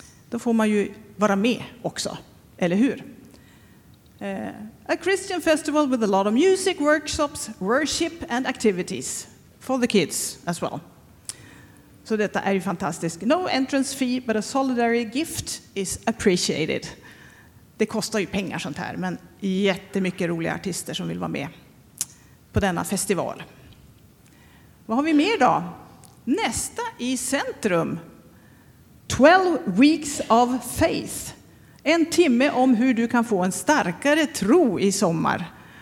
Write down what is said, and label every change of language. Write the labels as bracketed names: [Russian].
[Swedish] Då får man ju vara med också, eller hur? [English] A Christian festival with a lot of music, workshops, worship and activities for the kids as well. [Swedish] Så detta är ju fantastiskt. [English] No entrance fee, but a solidary gift is appreciated. [Swedish] Det kostar ju pengar sånt här, men jättemycket roliga artister som vill vara med på denna festival. Vad har vi mer då? Nästa i centrum. [English] 12 weeks of faith. [Swedish] En timme om hur du kan få en starkare tro i sommar.